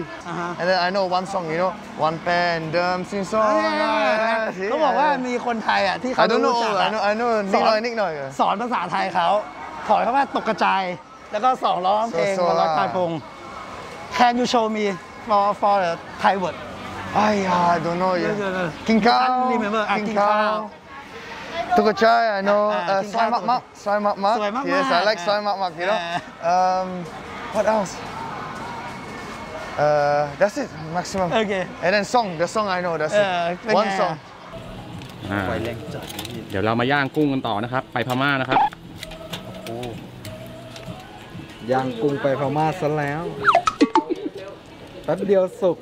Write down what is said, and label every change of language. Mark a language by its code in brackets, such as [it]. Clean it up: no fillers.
[en] Uh-huh. And then I know one song, you know, one pan, dum, sing song. Yeah. [th] เขาบอกว่ามีคนไทยอ่ะที่เขา ดูจากอ่ะสอนนิดหน่อย สอนภาษาไทยเขาถอยเข้ามาตกกระจายแล้วก็สองร้องเพลงบอลตาพง [en] Can you show me for Thai word? I don't know. Yeah. King Kao. Remember King Kao. Took a chai, I know. Soy mak mak. Soy mak mak. Yes, I like soy mak mak, you know. What else? That's it, maximum. Okay. And then song, the song I know, that's it. One song. [th] เดี๋ยวเรามาย่างกุ้งกันต่อนะครับไปพม่านะครับ ย่างกุ้งไปพม่าซะแล้วแป๊บเดียวสุก